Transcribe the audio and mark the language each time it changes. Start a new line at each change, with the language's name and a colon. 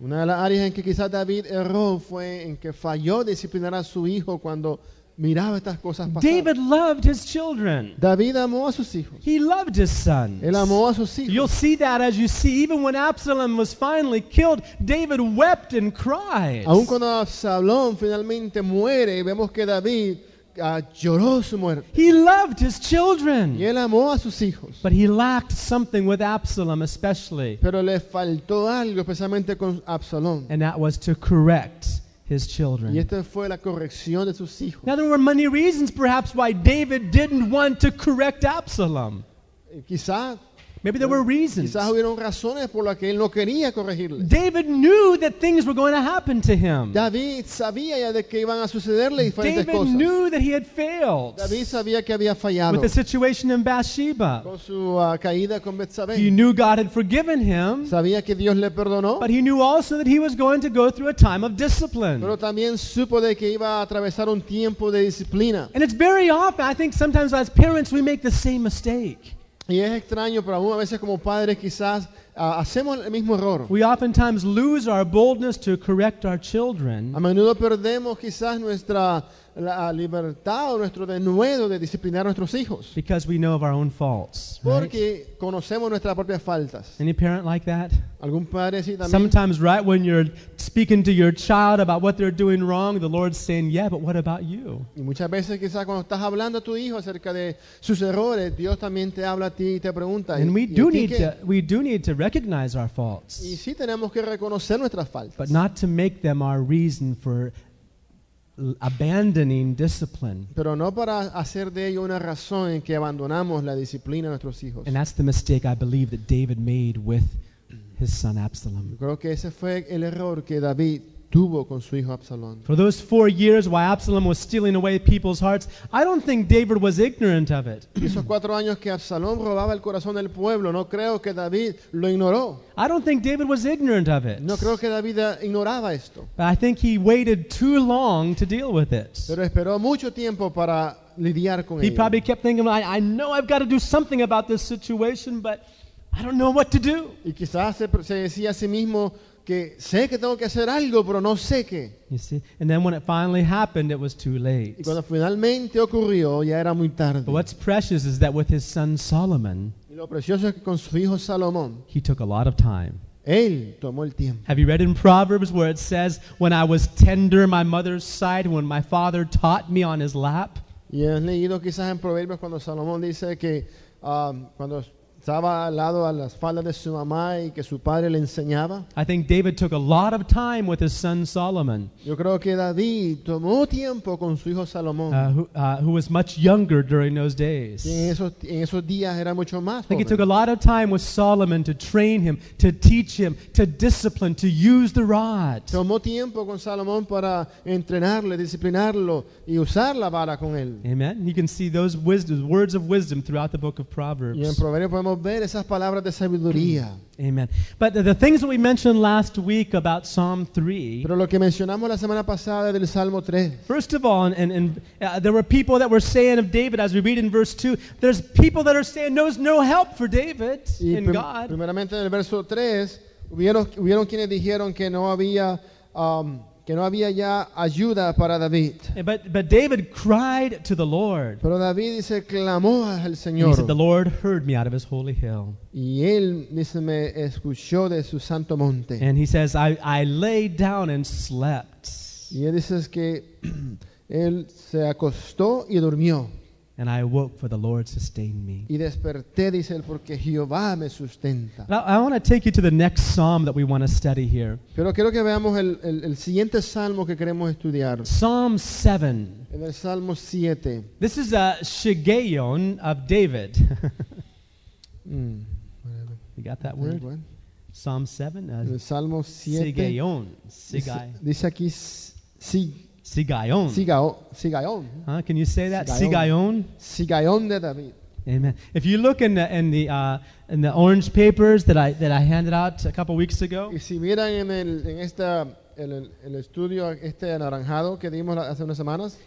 Spanish: Una de las áreas en que quizás David erró fue en que falló disciplinar a su hijo cuando miraba estas cosas pasar.
English: David loved his children.
Spanish: David amó a sus hijos.
English: He loved his sons.
Spanish: Él amó a sus hijos.
English: You'll see that as you see, even when Absalom was finally killed, David wept and cried.
Spanish: Aun cuando Absalom finalmente muere, vemos que David lloró su muerte.
English: He loved his children.
Spanish: Y él amó a sus hijos.
English: But he lacked something with Absalom especially.
Spanish: Pero le faltó algo, especialmente con Absalom.
English: And that was to correct his children.
Spanish: Y esta fue la corrección de sus hijos.
English: Now there were many reasons perhaps why David didn't want to correct Absalom. Maybe there were reasons.
Spanish: Quizás hubieron razones por las que él no quería corregirle.
English: David knew that things were going to happen to him.
Spanish: David sabía ya de que iban a sucederle diferentes David cosas.
English: David knew that he had failed.
Spanish: David sabía que había fallado.
English: With the situation in Bathsheba.
Spanish: Con su caída con Betsabé.
English: He knew God had forgiven him.
Spanish: Sabía que Dios le perdonó.
English: But he knew also that he was going to go through a time of discipline.
Spanish: Pero también supo de que iba a atravesar un tiempo de disciplina.
English: And it's very often, I think sometimes as parents we make the same mistake.
Spanish: Y es extraño, pero aún a veces como padres quizás hacemos el mismo error.
English: We oftentimes lose our boldness to correct our children.
Spanish: A menudo perdemos quizás nuestra libertad o nuestro denuedo de disciplinar a nuestros hijos.
English: Because we know of our own faults.
Spanish: Porque
English: right?
Spanish: Conocemos nuestras propias faltas.
English: Any parent like that?
Spanish: ¿Algún padre así también?
English: Sometimes right when you're speaking to your child about what they're doing wrong, the Lord's saying, yeah, but what about you?
Spanish: Y muchas veces quizás cuando estás hablando a tu hijo acerca de sus errores, Dios también te habla a ti y te pregunta.
English: And we do need to recognize our faults.
Spanish: Y sí tenemos que reconocer nuestras faltas.
English: But not to make them our reason for abandoning discipline.
Spanish: Pero no para hacer de ello una razón en que abandonamos la disciplina a nuestros hijos.
English: And that's the mistake I believe that David made with his son Absalom.
Spanish: Creo que ese fue el error que David tuvo con su hijo Absalom.
English: For those 4 years while Absalom was stealing away people's hearts, I don't think David was ignorant of it.
Spanish: Esos 4 años que Absalom robaba el corazón del pueblo, no creo que David lo ignoró.
English: I don't think David was ignorant of it.
Spanish: No creo que David ignoraba esto.
English: But I think he waited too long to deal with it.
Spanish: Pero esperó mucho tiempo para lidiar con ello.
English: He probably kept thinking, I know I've got to do something about this situation, but I don't know what to do.
Spanish: Y quizás se decía a sí mismo que sé que tengo que hacer algo, pero no sé qué.
English: You see? And then when it finally happened, it was too late.
Spanish: Y cuando finalmente ocurrió, ya era muy tarde.
English: But what's precious is that with his son Solomon,
Spanish: y lo precioso es que con su hijo Salomón,
English: he took a lot of time.
Spanish: Él tomó el tiempo.
English: Have you read in Proverbs where it says, when I was tender in my mother's sight, when my father taught me on his lap?
Spanish: ¿Y has leído quizás en Proverbios cuando Salomón dice que cuando estaba al lado a las faldas de su mamá y que su padre le enseñaba?
English: I think David took a lot of time with his son Solomon.
Spanish: Yo creo que David tomó tiempo con su hijo Salomón.
English: Who was much younger during those days.
Spanish: En esos días era mucho más joven.
English: I think he took a lot of time with Solomon to train him, to teach him, to discipline, to use the rod.
Spanish: Tomó tiempo con Salomón para entrenarle, disciplinarlo y usar la vara con él.
English: Amen. You can see those wisdom, words of wisdom throughout the book of Proverbs.
Spanish: Y en Proverbios podemos ver esas palabras de sabiduría. Amen.
English: But the things that we mentioned last week about Psalm 3.
Spanish: Pero lo que mencionamos la semana pasada del Salmo 3.
English: First of all, and there were people that were saying of David, as we read in verse 2, there's people that are saying there's no help for David in God.
Spanish: Primeramente en el verso 3, hubieron quienes dijeron que no había que no había ya ayuda para David.
English: But David cried to the Lord.
Spanish: Pero David dice, clamó al Señor.
English: He said, the Lord heard me out of his holy hill.
Spanish: Y él dice, me escuchó de su santo monte.
English: And he says, I lay down and slept.
Spanish: Y él dice que él se acostó y durmió.
English: And I awoke, for the Lord sustained me.
Spanish: Y desperté, dice él, porque Jehová me sustenta.
English: I want to take you to the next psalm that we want to study here.
Spanish: Pero quiero que veamos el siguiente salmo que queremos estudiar.
English: Psalm 7.
Spanish: En el Salmo 7.
English: This is a Shigeon of David. You got that word? Psalm 7?
Spanish: El Salmo 7.
English: Shigeon.
Spanish: Dice aquí, sí. Sigayon. Sigayon.
English: Huh? Can you say that? Sigayon.
Spanish: Sigayon de David. Amen.
English: If you look in the orange papers that I handed out a couple weeks ago.
Spanish: Y si miran en el estudio este anaranjado que dimos hace unas semanas.